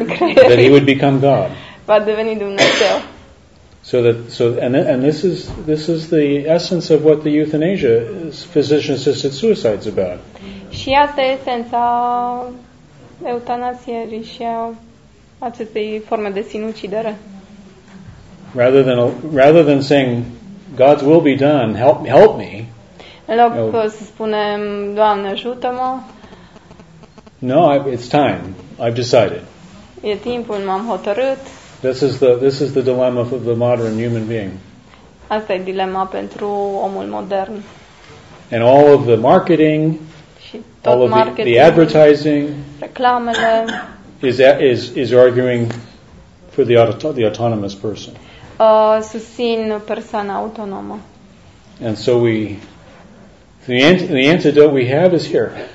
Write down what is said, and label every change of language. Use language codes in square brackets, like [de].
[en] that he would become God. [ro] Va deveni Dumnezeu. [en] So this is the essence of what the euthanasia physician assisted suicide is about. [ro] Și asta e esența eutanasie și acestei forme de sinucidere. [en] Rather than saying God's will be done, help me. [ro] În loc să spunem Doamne ajută-mă. [en] No, it's time. I've decided. [ro] E timpul, m-am hotărât. [en] This is the dilemma of the modern human being. [ro] Asta e dilema pentru omul modern. [en] And all of the marketing all of the advertising [ro] reclamele [en] is arguing for the autonomous person. [ro] Susțin persoana autonomă. [en] And so the antidote we have is here.